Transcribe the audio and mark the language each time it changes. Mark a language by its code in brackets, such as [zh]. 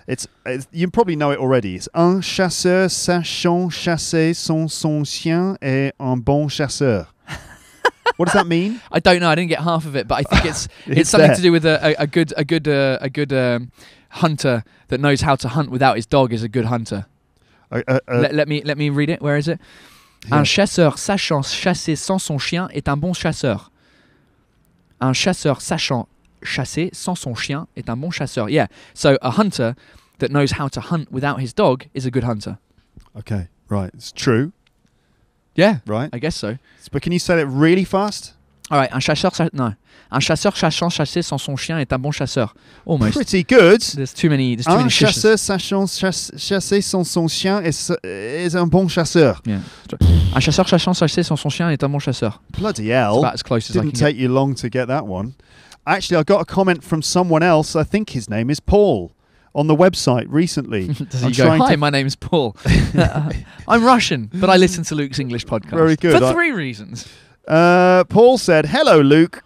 [en] It's you probably know it already. It's [fr] un chasseur sachant chasser son chien et un bon chasseur. [en] What does that mean? I don't know. I didn't get half of it, but I think it's something there. To do with a good hunter that knows how to hunt without his dog is a good hunter. Let me read it. Where is it? [fr] Yeah. Un chasseur sachant chasser sans son chien est un bon chasseur. Un chasseur sachant chasser sans son chien est un bon chasseur. [en] Yeah. So a hunter that knows how to hunt without his dog is a good hunter. Okay. Right. It's true. Yeah. Right. I guess so. But can you say it really fast? All right. [fr] Un chasseur sachant chasser sans son chien est un bon chasseur. [en] Almost. Pretty good. There's too many [fr] un chasseur sachant chasser sans son chien est un bon chasseur. [en] Yeah. [fr] Un chasseur sachant chasser sans son chien est un bon chasseur. [en] Bloody hell. It's about as close as I can get. Didn't take you long to get that one. Actually, I got a comment from someone else. I think his name is Paul. On the website recently. Hi, my name is Paul. I'm Russian, but I listen to Luke's English podcast. Very good. For three reasons. Paul said, hello, Luke.